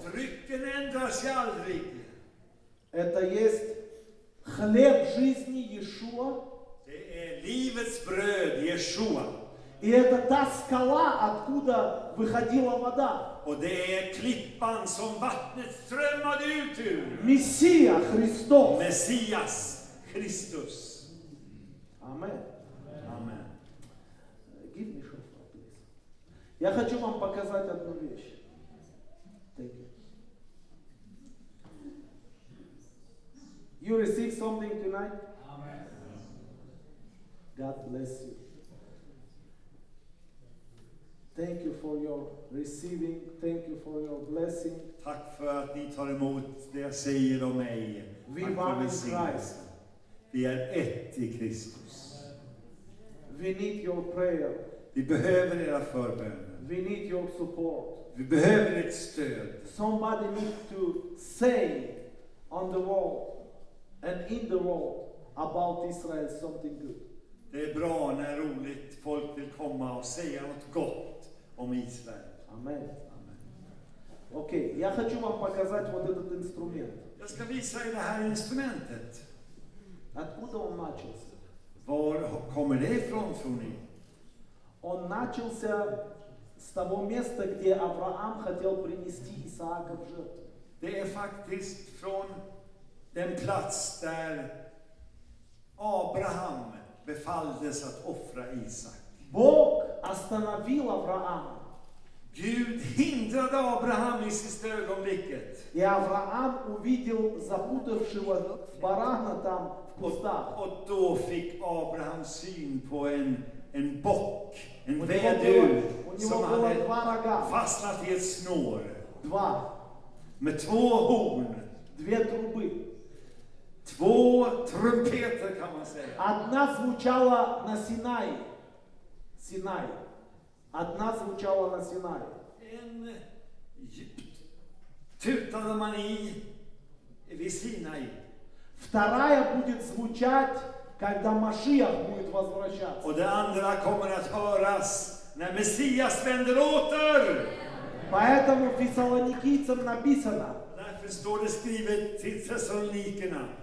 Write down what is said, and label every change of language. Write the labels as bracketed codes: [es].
[sv] Och drycken ändras aldrig. [ru] Это есть хлеб жизни Иешуа. [sv] Det är livets bröd, Иешуа. [ru] И это та скала, откуда выходила вода. [sv] Och det är klippan som vattnet strömmade ut ur. [ru] Messia, Христос. [sv] Messias, Christus. Amen. Amen. [en] Give me shot, please. [ru] Я хочу вам показать одну вещь. [en] Thank you. You receive something tonight? Amen. God bless you. Thank you for your receiving. Thank you for your blessing. [sv] Tack för att ni tar emot det jag säger om mig. [en] We are in Christ. [sv] Vi är ett i Kristus. [en] We need your prayer. [sv] Vi behöver era förbön. [en] We need your support. [sv] Vi behöver ett stöd. [en] Somebody needs to say on the world and in the world about Israel something good. [sv] Det är bra när roligt folk vill komma och säga något gott. Om Israel. [ru] Amen. [sv] Okej, okay, jag [ru] хочу вам показать вот этот инструмент. [sv] Jag ska visa er det här instrumentet. [ru] Откуда он начался? [sv] Var kommer det ifrån, tror ni? [ru] Он начался с того места, где Авраам хотел принести Исаака в жертву. [sv] Det är faktiskt från den plats där Abraham befalldes att offra Isak. [ru] Бог остановил Авраама. [sv] Gud hindrade Abraham i sista ögonblicket. [ru] И Авраам увидел запутавшего барана там в кустах. [sv] Och då fick Abraham syn på en bock, en vedur, som hade fastnat i ett snår. [ru] Два. [sv] Med två horn. [ru] Две трубы. [sv] Två trumpeter kan man säga. [ru] Одна звучала на Синае. Синай. Одна звучала на Синае. [sv] En tutade man i vid Синае. [ru] Вторая будет звучать, когда Машиах будет возвращаться. [sv] Och det andra kommer att höras när Messias vänder åter. [ru] Поэтому Фессалоникийцам написано. [sv] Därför står det skrivet till Фессалоникийцам.